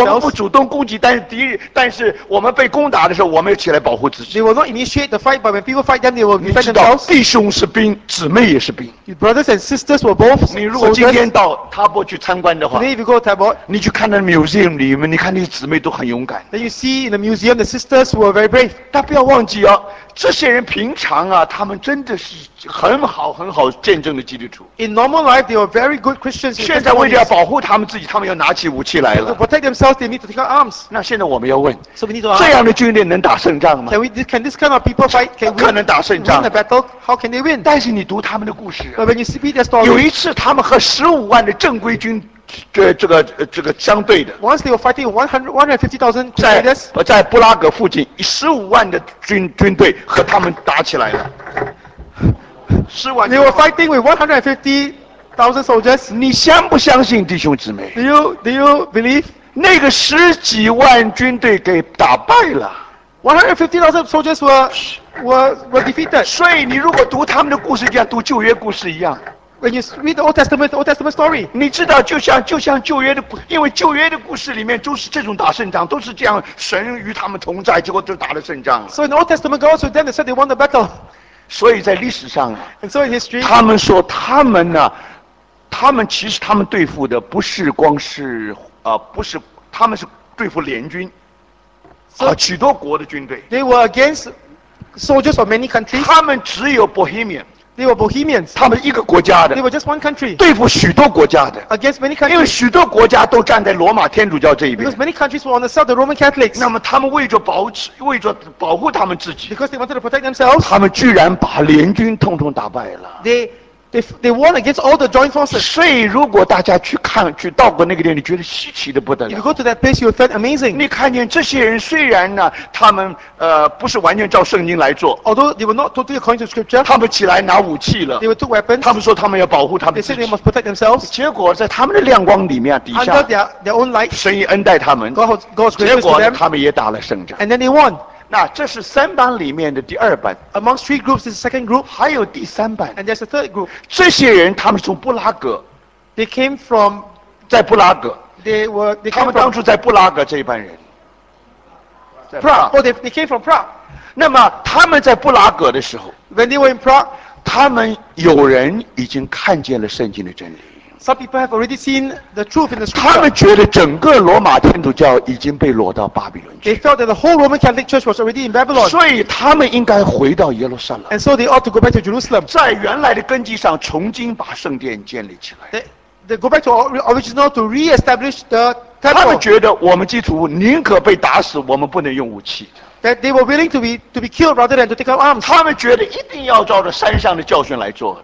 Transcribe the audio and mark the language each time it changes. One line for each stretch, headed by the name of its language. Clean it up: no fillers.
Chinese: 我们不主动攻击，但是敌人，但是我们被攻打的时候，我们要起来保护自己。
English: They will not initiate the fight, but when people fight them, they will defend themselves.
Chinese: 你知道，弟兄是兵，姊妹也是兵。
English: Brothers and sisters were both soldiers.
Chinese: 你如果今天到塔博去参观的话
English: ，Today if you go to Tabor,
Chinese: 你去看那 museum 里面，你看那些姊妹都很勇敢。
English: Then you see in the museum the sisters were very brave.
Chinese: 但不要忘记哦，这些人平常啊，他们真的是很好很好见证的基督徒。
English: In normal life, they were very good Christians.
Chinese: 现在为了要保护他们自己，他们要拿起武器来了。
English: To protect themselves, they need to take up arms.
Chinese: 那现在我们要问
English: ，So we need to ask,
Chinese: 这样的军队能打胜仗吗
English: ？Can this kind of people fight? Can we?
Chinese: 不可能打胜仗。
English: Win the battle? How can they win?
Chinese: 但是你读他们的故事、啊。
English: When you see their story,
Chinese: 有一次，他们和150,000的正规军，这个相对的。
English: Once they were fighting 150,000
Chinese: 在布拉格附近，150,000的军队和他们打起来了。
English: They were fighting with 150,000 soldiers.
Chinese: 你相不相信，弟兄姊妹
English: ？Do you believe?
Chinese: 那个十几万军队给打败了。
English: 150,000 soldiers were defeated.
Chinese: 所以你如果读他们的故事，像读旧约故事一样。
English: When you read the Old Testament story,
Chinese: 你知道就像旧约的，因为旧约的故事里面都是这种打胜仗，都是这样神与他们同在，结果就打了胜仗了。
English: So in the Old Testament, God also then they said they won the battle.
Chinese: 所以在历史上
English: And so in history,
Chinese: 他们说他们呢、啊，他们其实他们对付的不是光是不是他们是对付联军。
English: So,
Chinese: 许多国的军队。
English: They were against soldiers of many countries.
Chinese: 他们只有 Bohemian.
English: They were Bohemians.
Chinese: 他们一个国家的。
English: They were just one country.
Chinese: 对付许多国家的。
English: Against many countries.
Chinese: 因为许多国家都站在罗马天主教这一边。
English: Because many countries were on the side of the Roman Catholics.
Chinese: 那么他们为着保护他们自己。
English: Because they wanted to protect themselves.
Chinese: 他们居然把联军统统打败了。
English: They They won against all the joint forces.
Chinese: 所以如果大家去看去到过那个地方，你觉得稀奇的不得了。
English: You go to that place, you find amazing.
Chinese: 你看见这些人虽然呢，他们不是完全照圣经来做。
English: Although they were not totally according to scripture.
Chinese: 他们起来拿武器了。
English: They were took weapons.
Chinese: 他们说他们要保护他们自己。
English: They said they must protect themselves.
Chinese: 结果在他们的亮光里面底下。
English: Under their own light.
Chinese: 神已恩待他们。
English: God's grace to them.
Chinese: 结果他们也打了胜仗。
English: And then they won.
Chinese: 那这是三班里面的第二班。
English: Among three groups is the second group.
Chinese: 还有第三班。
English: And there's a third group.
Chinese: 这些人他们从布拉格。
English: They came from.
Chinese: 在布拉格。
English: They were. They came
Chinese: 他们当初在布拉格这一班人。
English: Prague. Oh, they came from Prague.
Chinese: 那么他们在布拉格的时候。
English: When they were in Prague.
Chinese: 他们有人已经看见了圣经的真理。
English: Some people have already seen the truth in the scripture.
Chinese: 他们觉得整个罗马天主教已经被掳到巴比伦去。
English: They felt that the whole Roman Catholic Church was already in Babylon.
Chinese: 所以他们应该回到耶路撒冷。
English: And so they ought to go back to Jerusalem.
Chinese: 在原来的根基上重新把圣殿建立起来。
English: They go back to original to re-establish the temple.
Chinese: 他们觉得我们基督徒宁可被打死，我们不能用武器。
English: That they were willing to be killed rather than to take up arms.
Chinese: 他们觉得一定要照着山上的教训来做。